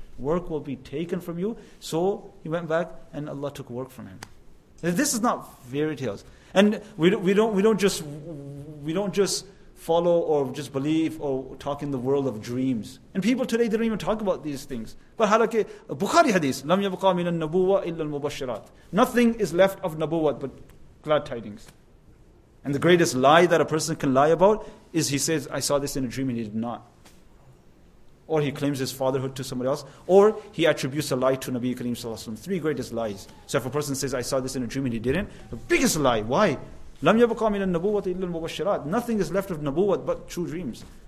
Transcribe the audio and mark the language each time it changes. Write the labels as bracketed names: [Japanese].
[English] Work will be taken from you. So he went back and Allah took work from him. This is not fairy tales. And we don't just follow or just believe or talk in the world of dreams. And people today, they don't even talk about these things. But halakhi, Bukhari hadith, [Arabic] لَمْ يَبْقَى مِنَ النَّبُوَّةِ إِلَّا الْمُبَشِّرَاتِ. [English] Nothing is left of nabuwat but glad tidings. And the greatest lie that a person can lie about is he says, "I saw this in a dream," and he did not. Or he claims his fatherhood to somebody else. Or he attributes a lie to Nabi Kareem Sallallahu Alaihi Wasallam. Three greatest lies. So if a person says, "I saw this in a dream," and he didn't, the biggest lie, why? [Arabic] لَمْ يَبْقَى مِنَ النَّبُوَّةِ إِلَّا الْمُبَشِّرَاتِ. [English] Nothing is left of nabuwat but true dreams.